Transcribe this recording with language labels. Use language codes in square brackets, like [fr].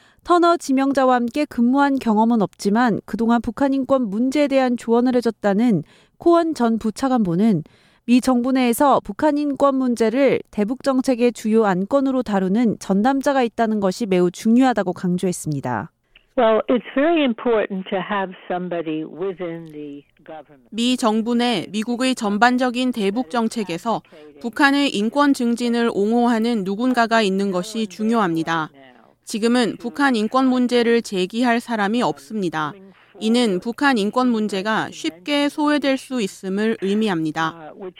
[ko] 터너 지명자와 함께 근무한 경험은 없지만 그동안 북한 인권 문제에 대한 조언을 해줬다는 코원 전 부차관보는 미 정부 내에서 북한 인권 문제를 대북 정책의 주요 안건으로 다루는 전담자가 있다는 것이 매우 중요하다고 강조했습니다. [en] Well, it's very important to have somebody within the government. [ko] 미 정부 내 미국의 전반적인 대북 정책에서 북한의 인권 증진을 옹호하는 누군가가 있는 것이 중요합니다. 지금은 북한 인권 문제를 제기할 사람이 없습니다. 이는 북한 인권 문제가 쉽게 소외될 수 있음을 의미합니다.